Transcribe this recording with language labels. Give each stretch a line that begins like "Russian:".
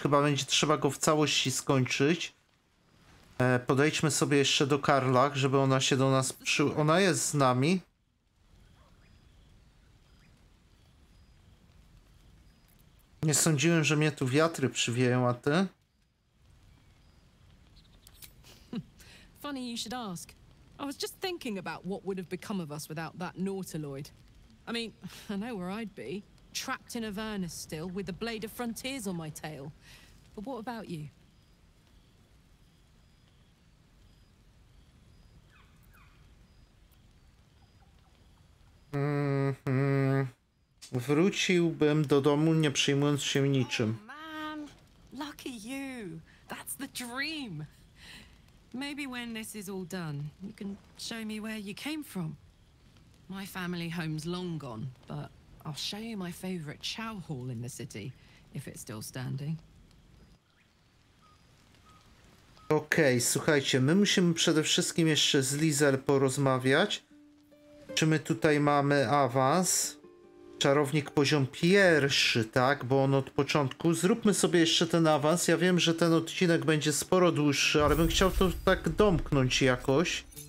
Polish: Chyba będzie trzeba go w całości skończyć. Podejdźmy sobie jeszcze do Karla, żeby ona się do nas przy... Ona jest z nami. Nie sądziłem, że mnie tu wiatry przywieją, a ty?
English: Funny you should ask. I was just thinking about what would have become of us without that Nautiloid. I mean, I know where I'd be. Trapped in Avernus still, with the Blade of Frontiers on my tail. But what about you?
Polish: Wróciłbym do domu, nie przejmując się niczym.
English: Oh, man! Lucky you! That's the dream! Maybe when this is all done, you can show me where you came from. My family home's long gone, but I'll show you my favorite chow hall in the city, if it's still standing.
Polish: Okej, słuchajcie, my musimy przede wszystkim jeszcze z Lizel porozmawiać. Czy my tutaj mamy awans? Czarownik poziom pierwszy, tak? Bo on od początku. Zróbmy sobie jeszcze ten awans. Ja wiem, że ten odcinek będzie sporo dłuższy, ale bym chciał to tak domknąć jakoś.